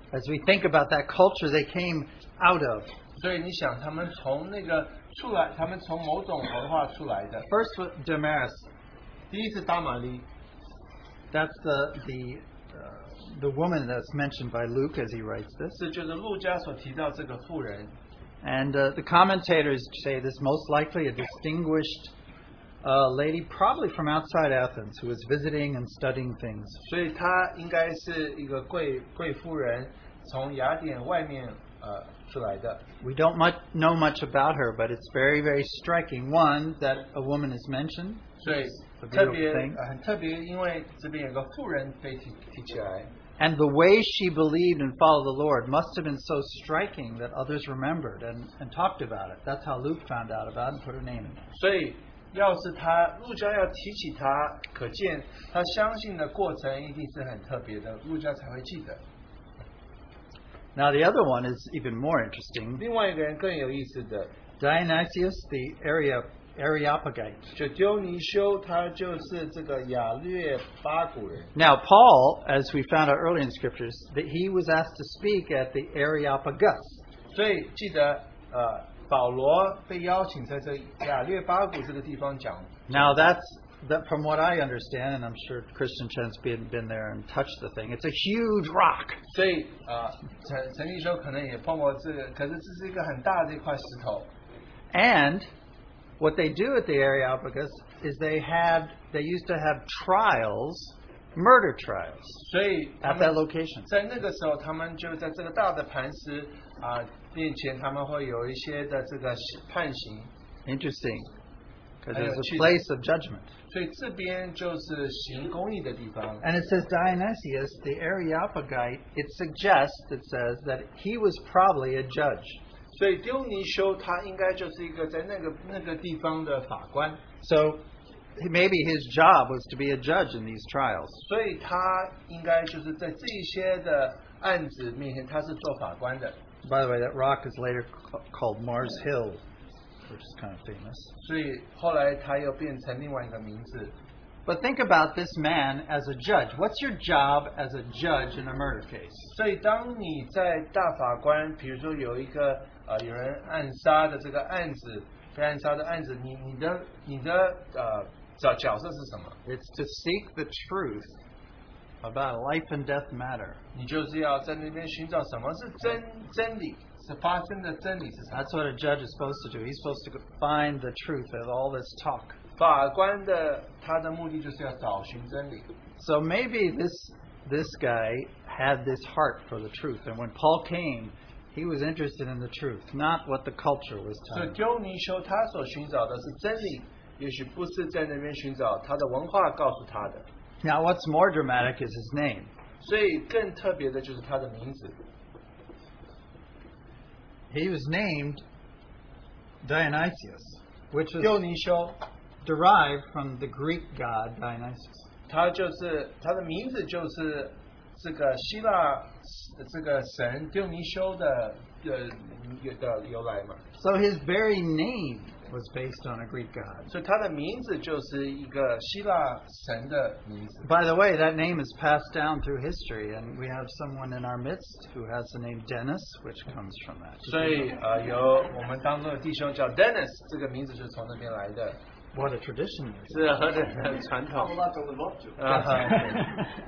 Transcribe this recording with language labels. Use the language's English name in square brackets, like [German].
[English] As we think about that culture they came out of. [Chinese] 所以你想他们从那个出来，他们从某种文化出来的。 [English] First was Damaris. [Chinese] 第一是达玛利。 [English] That's the woman that's mentioned by Luke as he writes this. [Chinese] 是就是路加所提到这个妇人。 [English] And the commentators say this most likely a distinguished lady, probably from outside Athens, who was visiting and studying things. [Chinese] 所以她应该是一个贵妇人，从雅典外面出来的。 [English] We don't much know much about her, but it's very very striking. One that a woman is mentioned. [Chinese] 所以。特别，因为这边有个妇人被提起来。 [English] And the way she believed and followed the Lord must have been so striking that others remembered and talked about it. That's how Luke found out about it and put her name in. [Chinese] 所以，要是他路加要提起他，可见他相信的过程一定是很特别的，路加才会记得。 [English] Now the other one is even more interesting. [Chinese] 另外一个人更有意思的 [English] ，Dionysius, the Areopagite. [Chinese] 就丢尼修，他就是这个亚略巴古人。 [English] Now Paul, as we found out earlier in scriptures, that he was asked to speak at the Areopagus. [Chinese] 所以记得，保罗被邀请在这亚略巴古这个地方讲。 [English] Now that's that. From what I understand, and I'm sure Christian Chen's been there and touched the thing. It's a huge rock. [Chinese] 所以，陈立修可能也碰过这个，可是这是一个很大的一块石头。 [English] And what they do at the Areopagus is they used to have trials, murder trials, at that location. [Chinese] 在那个时候，他们就在这个大的磐石啊面前，他们会有一些的这个判刑。 [English] Interesting, because it's a place of judgment. [Chinese] 所以这边就是行公义的地方。 [English] And it says Dionysius, the Areopagite. It says that he was probably a judge. [Chinese] 所以丢尼修他应该就是一个在那个地方的法官。 [English] So maybe his job was to be a judge in these trials. [Chinese] 所以他应该就是在这些的案子面前，他是做法官的。 [English] By the way, that rock is later called Mars Hill, which is kind of famous. [Chinese] 所以后来他又变成另外一个名字。 [English] But think about this man as a judge. What's your job as a judge in a murder case? [Chinese] 所以当你在大法官，比如说有一个有人暗杀的这个案子，被暗杀的案子，你的角色是什么？ [English] It's to seek the truth about life and death matter. [Chinese] 你就是要在那边寻找什么是真理，是发生的真理是什么？ [English] That's what a judge is supposed to do. He's supposed to find the truth of all this talk. [Chinese] 法官的他的目的就是要找寻真理。 [English] So maybe this guy had this heart for the truth, and when Paul came, he was interested in the truth, not what the culture was telling. [Chinese] 所以丢尼修他所寻找的是真理，也许不是在那边寻找他的文化告诉他的。 [English] Now what's more dramatic is his name. [Chinese] 所以更特别的就是他的名字。 [English] He was named Dionysius, which was [Chinese] 丢尼修 [English] derived from the Greek god Dionysus. [Chinese] 他的名字就是这个希腊这个神丢尼修的由来嘛。 [English] So his very name was based on a Greek god. [Chinese] 所以他的名字就是一个希腊神的名字。 [English] By the way, that name is passed down through history, and we have someone in our midst who has the name Dennis, which comes from that. [Chinese] 所以有我们当中的弟兄叫 Dennis, 这个名字就从那边来的。 [English] what a tradition is. [Chinese] 是啊,和的很传统。 [English] Well, that's a little up to.